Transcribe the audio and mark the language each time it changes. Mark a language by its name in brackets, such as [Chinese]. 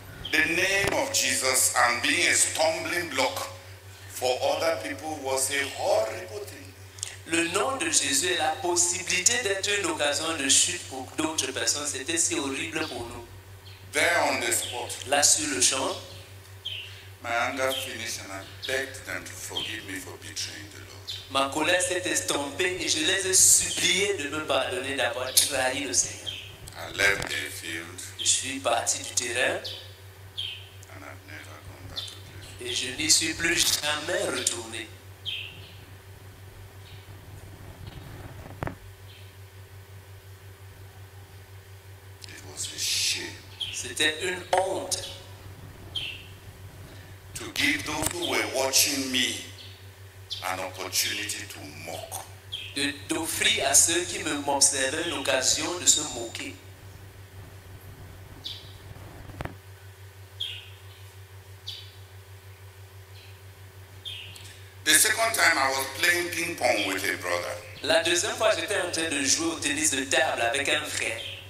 [English] the name of Jesus and being a stumbling block for other people was a horrible thing. [French] Le nom de Jésus et la possibilité d'être une occasion de chute pour d'autres personnes, c'était si horrible pour nous. [English] There on the spot, [French] là sur le champ, [English] my anger finished and I begged them to forgive me for betraying the Lord. [French] Ma colère s'est estompée et je les ai suppliés de me pardonner d'avoir trahi le Seigneur. [English] I left the field. [French] Je suis parti du terrain. [English] And I've never gone back to play. [French] Et je n'y suis plus jamais retourné. [English] It was a shame. [French] C'était une honte. [English] To give those who were watching me an opportunity to mock. [French] D'offrir à ceux qui me observaient une occasion de se moquer. [English] The second time I was playing ping pong with a brother. [French] La deuxième fois, j'étais en train de jouer au tennis de table avec un frère.